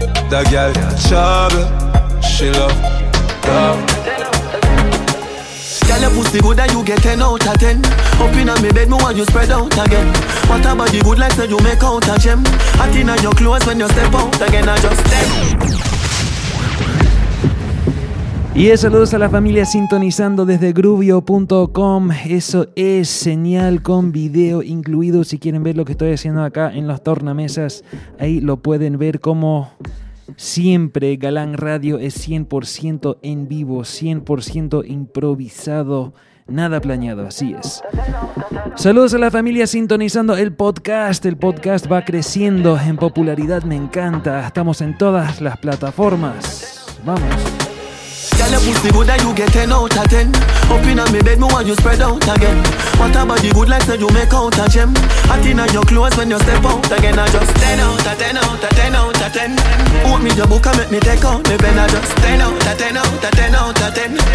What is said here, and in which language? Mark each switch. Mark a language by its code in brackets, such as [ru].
[en] That girl got trouble. She love dumb. Girl, your pussy good and you get 10 out of 10. Up in a me bed, me want you spread out again. What about the good life that you make out a gem? Hot in a your clothes when you step out again, I just step. [es] Y saludos a la familia sintonizando desde Groovio.com. Eso es señal con video incluido. Si quieren ver lo que estoy haciendo acá en los tornamesas, ahí lo pueden ver como... Siempre Galán Radio es 100% en vivo, 100% improvisado, nada planeado, así es. Saludos a la familia sintonizando el podcast va creciendo en popularidad, me encanta, estamos en todas las plataformas, vamos. [en] Girl, your pussy good and you get 10 out of 10. Up in a me bed, me want you spread out again. What about the good life that you make out a gem? Hot in a your clothes when you step out again. I just 10 out of 10 out of 10 out of 10. Want me your book and make me take out the pen. I just 10 out of 10 out of 10 out of 10.